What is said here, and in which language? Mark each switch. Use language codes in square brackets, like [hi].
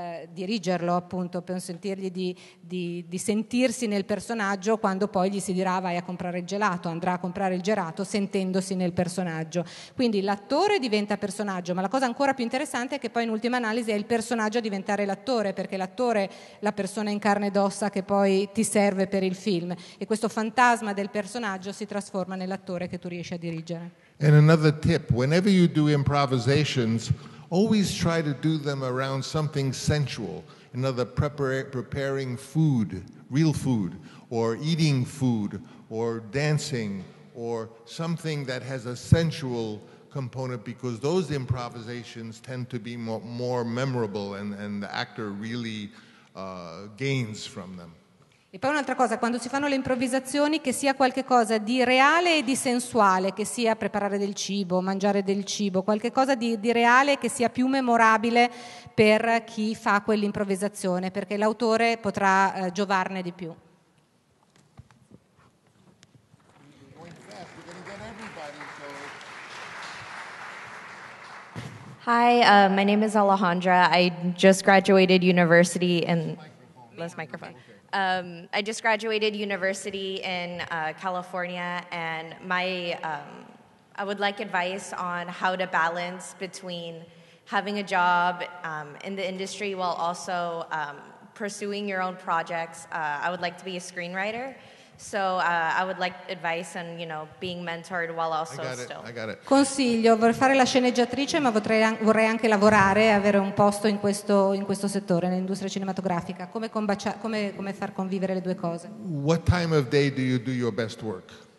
[it] dirigerlo, appunto, per sentirgli di sentirsi nel personaggio, quando poi gli si dirà vai a comprare il gelato, andrà a comprare il gelato sentendosi nel personaggio. Quindi l'attore diventa personaggio, ma la cosa ancora più interessante è che poi in ultima analisi è il personaggio a diventare l'attore, perché l'attore è la persona in carne ed ossa che poi ti serve per il film, e questo fantasma del personaggio si trasforma nell'attore che tu riesci a dirigere. [en] And another tip, whenever you do improvisations, always try to do them around something sensual, another preparing food, real food, or eating food, or dancing, or something that has a sensual component, because those improvisations tend to be more memorable and the actor really gains from them. [it] E poi un'altra cosa, quando si fanno le improvvisazioni, che sia qualche cosa di reale e di sensuale, che sia preparare del cibo, mangiare del cibo, qualche cosa di reale che sia più memorabile per chi fa quell'improvvisazione, perché l'autore potrà giovarne di più. [en] Hi, my name is Alejandra. I just graduated university in... Less microphone. I just graduated university in California, and I would like advice on how to balance between having a job in the industry while also pursuing your own projects. I would like to be a screenwriter, so I would like advice on, you know, being mentored while also still. I got it. [it] Consiglio, vorrei fare la sceneggiatrice, ma vorrei anche lavorare e avere un posto in questo settore, nell'industria cinematografica. Come far convivere le due cose? [en] What time of day do you do your best work?